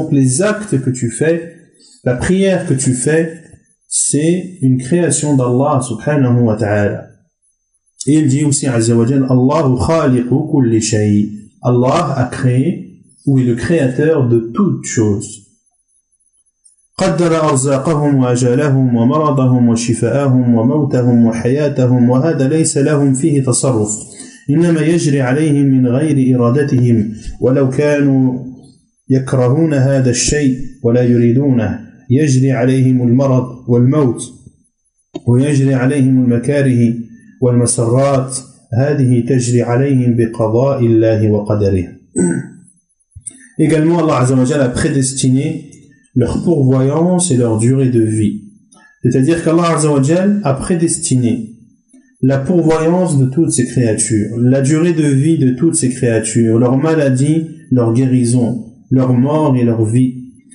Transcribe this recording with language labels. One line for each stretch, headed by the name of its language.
French: Donc les actes que tu fais, la prière que tu fais, c'est une création d'Allah subhanahu wa ta'ala. Et il dit aussi Azza wa Jal,
Arabic: Allahu khaliqu kulli shay.
French: Allah a créé ou est le créateur de toute chose.
Arabic: قدر أرزاقهم وأجالهم ومرضهم وشفاءهم وموتهم وحياتهم وهذا ليس لهم فيه تصرف إنما يجري عليهم من غير إرادتهم ولو كانوا يكرهون هذا الشيء ولا يريدونه يجري عليهم المرض والموت ويجري عليهم المكاره والمسرات هذه تجري عليهم بقضاء الله وقدره.
French: Également Allah عز وجل a prédestiné leur pourvoyance et leur durée de vie. C'est-à-dire qu'Allah Azza wa Jal a prédestiné la pourvoyance de toutes ces créatures, la durée de vie de toutes ces créatures, leur maladie, leur guérison, leur mort et leur vie.